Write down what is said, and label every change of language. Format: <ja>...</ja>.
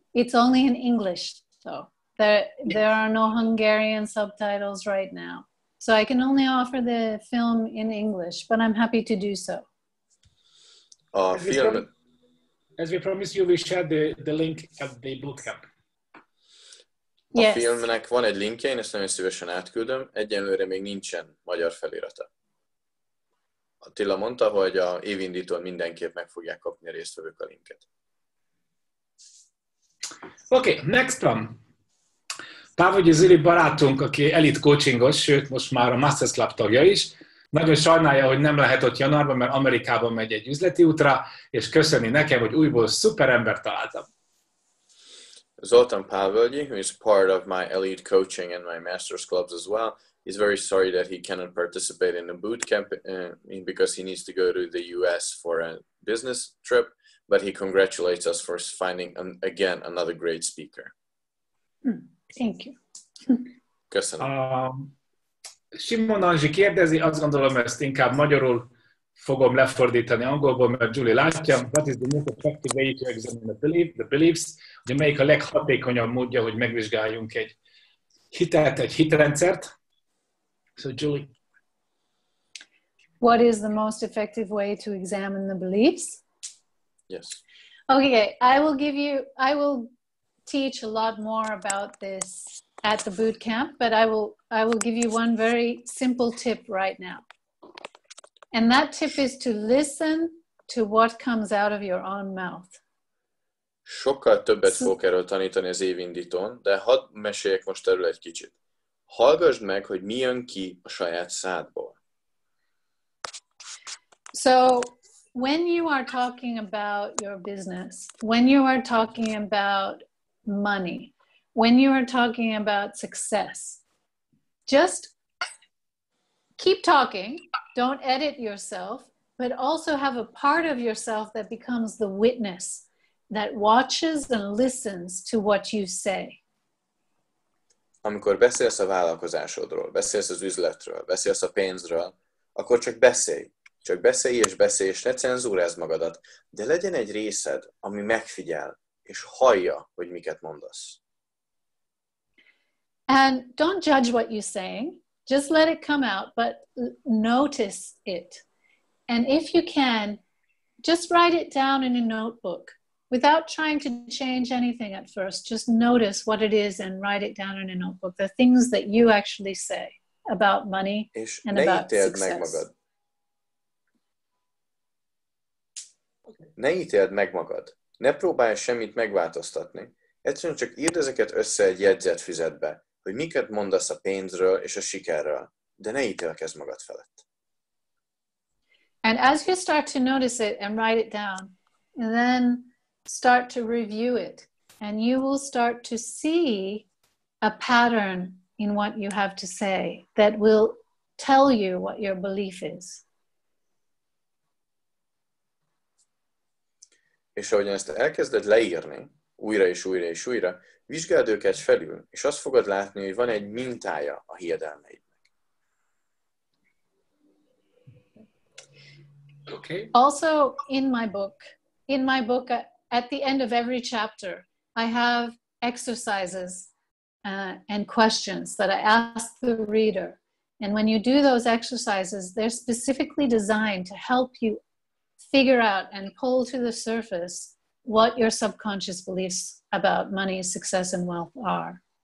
<en>It's only in English, though. There are no Hungarian subtitles right now. So I can only offer the film in English, but I'm happy to do so. As we promised you, we shared the link at the bootcamp. A yes.</en> <hu>Filmnek van egy linkje, én ezt nagyon szívesen átküldöm. Egyelőre még nincsen magyar felirata. Attila mondta, hogy a évindítón mindenképp meg fogják kapni a résztvevők a linket.</hu> <en>Oké, okay, next one.</en> <hu>Pávogyi Zili barátunk, aki elit coachingos, sőt most már a Masters Club tagja is, nagyon sajnálja, hogy nem lehet ott januárban, mert Amerikában megy egy üzleti útra, és köszöni nekem, hogy újból szuper ember találtam.</hu> <en>Zoltán Pávölgyi, who is part of my elite coaching and my master's clubs as well, is very sorry that he cannot participate in the bootcamp because he needs to go to the US for a business trip, but he congratulates us for finding again another great speaker. Thank you.</en> <hu>Köszönöm. Simon Anzsi kérdezi, azt gondolom, ezt inkább magyarul fogom lefordítani angolból, mert Julie látja,</hu> <en>what is the most effective way to examine the beliefs,</en> <hu>hogy melyik a leghatékonyabb módja, hogy megvizsgáljunk egy hitet, egy hitrendszert.</hu> <en>So Julie. What is the most effective way to examine the beliefs? Yes. Okay, I will teach a lot more about this at the bootcamp, but I will give you one very simple tip right now. And that tip is to listen to what comes out of your own mouth.</en> <hu>Sokkal többet fogok erről tanítani az évindítón, de hadd meséljek most erről egy kicsit. Hallgasd meg, hogy mi jön ki a saját szádból.</hu> <en>So, when you are talking about your business, when you are talking about money, when you are talking about success, just keep talking. Don't edit yourself, but also have a part of yourself that becomes the witness that watches and listens to what you say.</en> <hu>Amikor beszélsz a vállalkozásodról, beszélsz az üzletről, beszélsz a pénzről, akkor csak beszélj. Csak beszélj és beszélj, és ne cenzúrázd magadat. De legyen egy részed, ami megfigyel, és hallja, hogy miket mondasz.</hu> <en>And don't judge what you're saying. Just let it come out, but notice it. And if you can, just write it down in a notebook. Without trying to change anything at first, just notice what it is and write it down in a notebook. The things that you actually say about money and about success.</en> <hu>És ne ítéld meg magad. Ne ítéld meg magad. Ne próbálj semmit megváltoztatni. Egyszerűen csak írd ezeket össze egy jegyzetfüzetbe, hogy miket mondasz a pénzről és a sikerről. De ne ítélkezz magad felett.</hu> <en>And as you start to notice it and write it down, and then start to review it, and you will start to see a pattern in what you have to say that will tell you what your belief is.</en> <hu>És ahogy ezt elkezded leírni, újra és újra és újra, vizsgáld őket felül, és azt fogod látni, hogy van egy mintája a hiedelmeidnek.</hu> <en>Okay. Also, in my book, at the end of every chapter, I have exercises and questions that I ask the reader. And when you do those exercises, they're specifically designed to help you figure out and pull to the surface what your subconscious beliefs about money, success, and wealth are.</en>